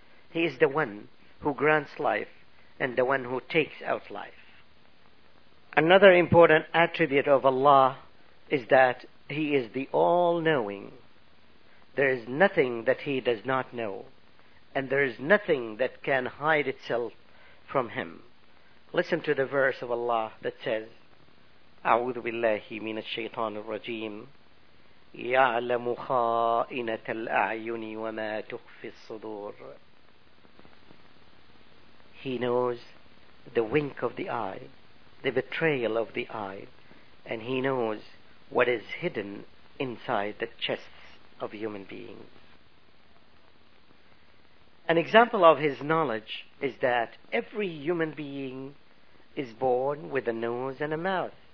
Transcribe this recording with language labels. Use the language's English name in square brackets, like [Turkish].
[English] He is the one who grants life and the one who takes out life. Another important attribute of Allah is that He is the all-knowing. There is nothing that He does not know, and there is nothing that can hide itself from Him. Listen to the verse of Allah that says, [Arabic] أعوذ بالله من الشيطان الرجيم يعلم خائنة الأعين وما تخفي الصدور. [English] He knows the wink of the eye, the betrayal of the eye, and He knows what is hidden inside the chests of human beings. An example of His knowledge is that every human being is born with a nose and a mouth.